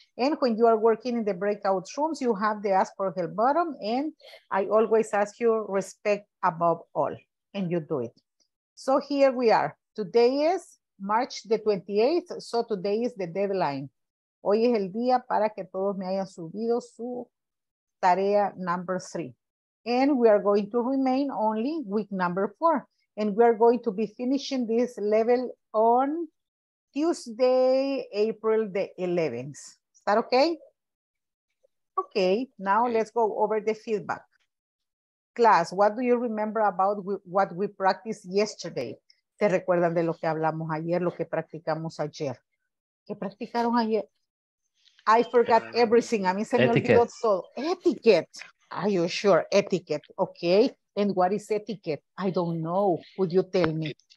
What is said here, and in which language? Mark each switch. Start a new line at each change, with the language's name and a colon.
English: And when you are working in the breakout rooms, you have the ask for help button, and I always ask you respect above all, and you do it. So here we are. Today is March the 28th, so today is the deadline.
Spanish: Hoy es el día para que todos me hayan subido su tarea
English: number 3. And we are going to remain only week number 4. And we are going to be finishing this level on Tuesday, April the 11th. Is that okay? Okay, now let's go over the feedback. Class, what do you remember about what we practiced yesterday?
Spanish: ¿Te recuerdan de lo que hablamos ayer, lo que practicamos ayer? ¿Qué practicaron ayer?
English: I forgot everything.
Spanish: A mí se me olvidó todo. Etiquette.
English: Are you sure?
Spanish: Etiquette. Okay.
English: And what is etiquette? I don't know. Could you tell me?